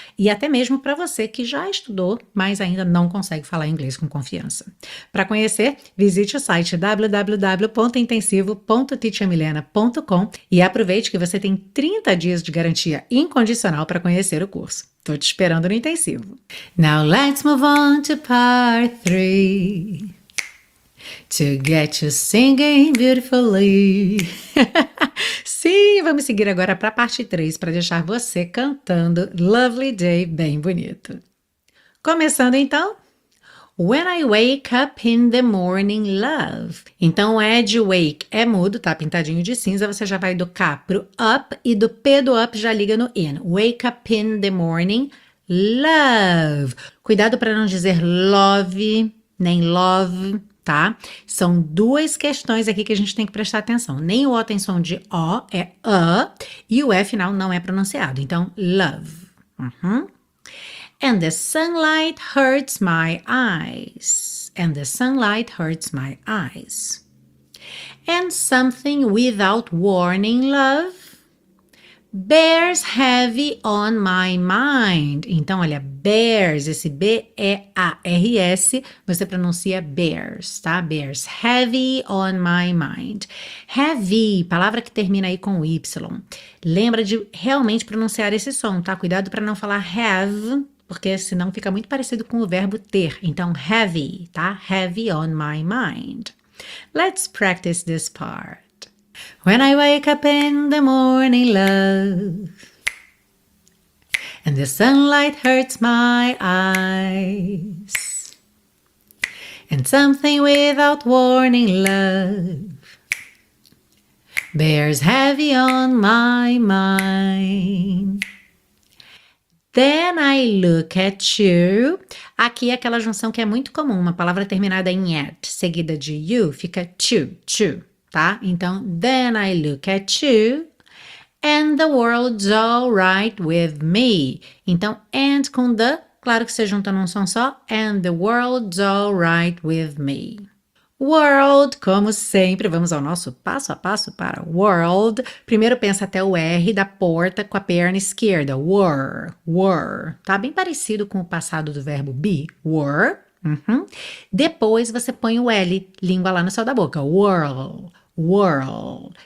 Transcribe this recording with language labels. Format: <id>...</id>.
<pt>E até mesmo para você que já estudou, mas ainda não consegue falar inglês com confiança. Para conhecer, visite o site www.intensivo.teachermilena.com e aproveite que você tem 30 dias de garantia incondicional para conhecer o curso. Tô te esperando no intensivo.</pt> <en>Now let's move on to part three. To get you singing beautifully.</en> <pt>Sim, vamos seguir agora para a parte 3 para deixar você cantando Lovely Day bem bonito. Começando então.</pt> <en>When I wake up in the morning, love.</en> <pt>Então, Ed wake é mudo, tá pintadinho de cinza. Você já vai do K pro up e do P do up já liga no in.</pt> <en>Wake up in the morning, love.</en> <pt>Cuidado para não dizer love, nem love, tá? São duas questões aqui que a gente tem que prestar atenção. Nem o O tem som de O, é a, e o E final não é pronunciado.</pt> <en>Então, love. And the sunlight hurts my eyes. And the sunlight hurts my eyes. And something without warning, love, bears heavy on my mind.</en> <pt>Então, olha, bears, esse B-E-A-R-S, você pronuncia bears, tá?</pt> <en>Bears heavy on my mind.</en> <pt>Heavy, palavra que termina aí com Y. Lembra de realmente pronunciar esse som, tá? Cuidado para não falar have. Porque senão fica muito parecido com o verbo ter. Então, heavy, tá?</pt> <en>Heavy on my mind. Let's practice this part. When I wake up in the morning, love, and the sunlight hurts my eyes, and something without warning, love, bears heavy on my mind. Then I look at you.</en> <pt>Aqui é aquela junção que é muito comum, uma palavra terminada em at, seguida de you, fica to, tá?</pt> <en>Então, then I look at you and the world's all right with me. Então, and com the</en> <pt>Claro que se junta num som só.</pt> <en>And the world's alright with me.</en> <pt>World, como sempre, vamos ao nosso passo a passo para world. Primeiro pensa até o R da porta com a perna esquerda. Were, were. Tá bem parecido com o passado do verbo be, were. Depois você põe o L, língua lá no céu da boca. World, world.</pt>